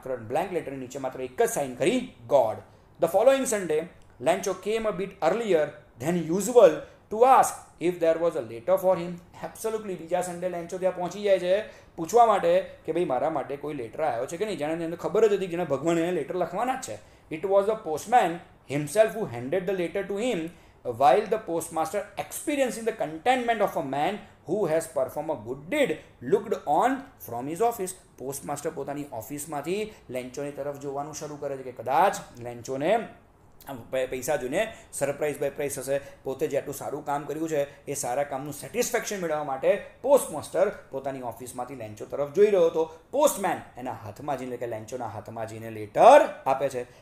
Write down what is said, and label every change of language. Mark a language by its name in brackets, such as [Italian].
[Gujarati] Blank લેટરની નીચે માત્ર એક જ સાઇન કરી, [English] God. The following Sunday Lencho came a bit earlier than usual to ask if there was a letter for him. [Gujarati] Absolutely, બીજા સન્ડે લેન્ચો ત્યાં પહોંચી જાય છે પૂછવા માટે કે ભાઈ મારા માટે કોઈ લેટર આવ્યો છે કે નહીં, જાણે એને ખબર જ હતી કે ભગવાન એને લેટર લખવાના જ છે. [English] It was a postman himself who handed the letter to him, while the postmaster, experiencing the contentment of a man who has performed a good deed, looked on from his office. [Gujarati] Postmaster પોતાની ઓફિસમાંથી લેન્ચોની તરફ જોવાનું શરૂ કરે છે કે કદાચ લેન્ચોને પૈસા જોઈને સરપ્રાઈઝ બાય પ્રાઈઝ હશે. પોતે જેટલું સારું કામ કર્યું છે એ સારા કામનું સેટિસ્ફેક્શન મેળવવા માટે પોસ્ટમાસ્ટર પોતાની ઓફિસમાંથી લેન્ચો તરફ જોઈ રહ્યો હતો. પોસ્ટમેન એના હાથમાં જઈને, એટલે કે લેન્ચોના હાથમાં જઈને લેટર આપે છે.